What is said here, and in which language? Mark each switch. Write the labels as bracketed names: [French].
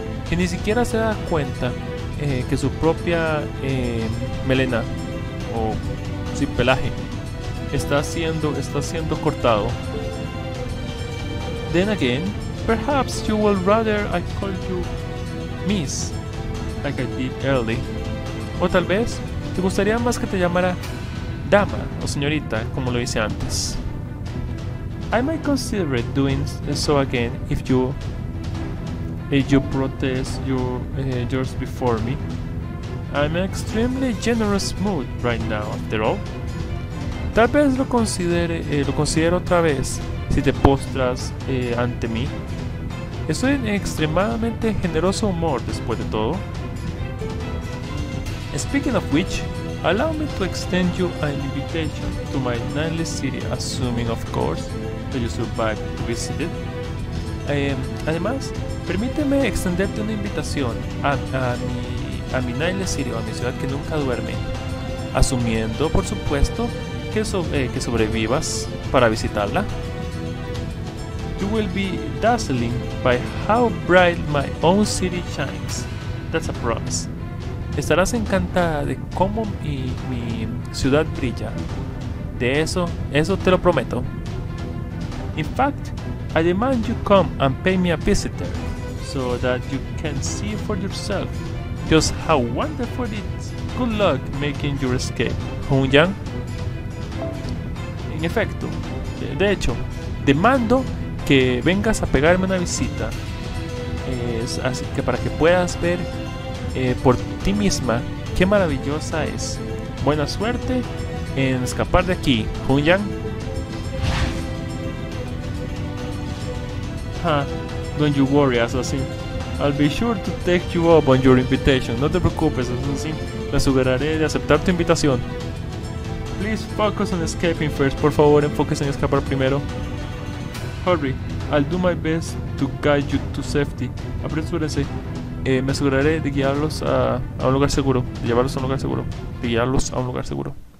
[Spanish] Que ni siquiera se da cuenta que su propia melena o sí, pelaje está siendo cortado. [English] Then again, perhaps you would rather I called you Miss, like I did early. [Spanish] O tal vez te gustaría más que te llamara dama o señorita, como lo hice antes. [English] I might consider it doing so again if you. If you protest yours before me. I'm in an extremely generous mood right now, after all. [Spanish] Tal vez lo considere otra vez si te postras ante mí. Estoy en extremadamente generoso humor después de todo. [English] Speaking of which, allow me to extend you an invitation to my nightly city, assuming, of course, that you survive to visit it. [Spanish] Además, permíteme extenderte una invitación a mi Nightly City, a mi ciudad que nunca duerme, asumiendo, por supuesto, que sobrevivas para visitarla. [English] You will be dazzling by how bright my own city shines. That's a promise. [Spanish] Estarás encantada de cómo mi ciudad brilla. De eso te lo prometo. [English] In fact, I demand you come and pay me a visit there, so that you can see for yourself just how wonderful it is. Good luck making your escape, Hong Yang. [Spanish] En efecto, de hecho, demando que vengas a pegarme una visita, así que para que puedas ver por ti misma qué maravillosa es. Buena suerte en escapar de aquí, Hong Yang. [English] Don't you worry, Assassin. I'll be sure to take you up on your invitation. [Spanish] No te preocupes, Assassin. Me aseguraré de aceptar tu invitación. [English] Please focus on escaping first. [Spanish] Por favor, enfóquese en escapar primero. [English] Hurry. I'll do my best to guide you to safety. [Spanish] Apresúrense. Me aseguraré de guiarlos a un lugar seguro. De llevarlos a un lugar seguro. De guiarlos a un lugar seguro.